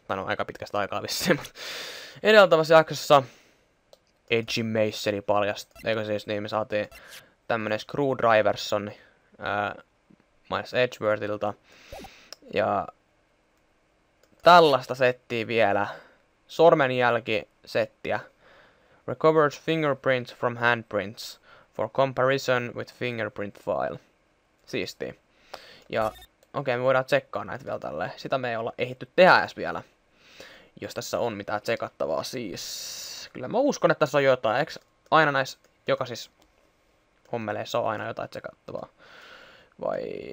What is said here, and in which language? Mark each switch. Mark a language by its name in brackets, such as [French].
[Finnish] Tän on aika pitkästä aikaa vissiin, mutta edeltävässä jaksossa Edgy Masoni paljasti. Eikö siis niin, me saatiin tämmönen screwdriverson Miles Edgeworthilta. Ja tällaista settiä vielä. Sormenjälki settiä. [English] Recovered fingerprints from handprints. For comparison with fingerprint file. [Finnish] Siistii. Ja okei, me voidaan tsekkaa näitä vielä tälleen. Sitä me ei olla ehditty tehdä edes vielä. Jos tässä on mitään tsekattavaa siis. Kyllä mä uskon, että tässä on jotain. Eikö aina näissä jokaisissa hommeleissa on aina jotain tsekattavaa? Vai...